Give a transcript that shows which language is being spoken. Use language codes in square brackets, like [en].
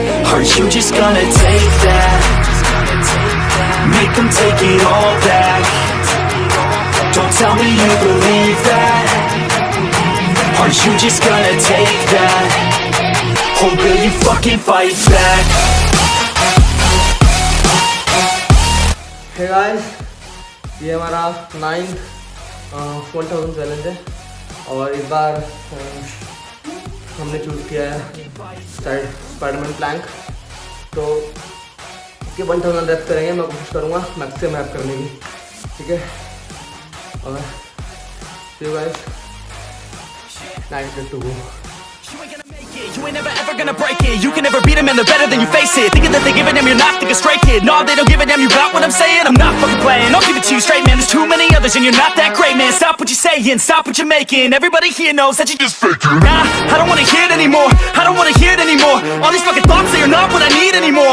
[en] Aren't you just gonna take that? Make them take it all back. Don't tell me you believe that. Aren't you just gonna take that? Or will you fucking fight back? Hey guys, [hi] ये हमारा 9th 1000 challenge है और इस बार हमने choose किया है Spiderman Planck, तो इसके 1000 रेप करेंगे। मैं कोशिश करूँगा मैक्सिमम रेप करने की, ठीक है? और [en] see you guys, [hi] 9th to go. [en] You ain't never ever gonna break it. You can never beat them and they're better than you, face it. Thinking that they give a damn, you're not thinking straight, kid. No, they don't give a damn, you got what I'm saying? I'm not fucking playing, I'll give it to you straight, man. There's too many others and you're not that great, man. Stop what you're saying, stop what you're making. Everybody here knows that you're just faking. Nah, I don't wanna hear it anymore. I don't wanna hear it anymore. All these fucking thoughts, they are not what I need anymore.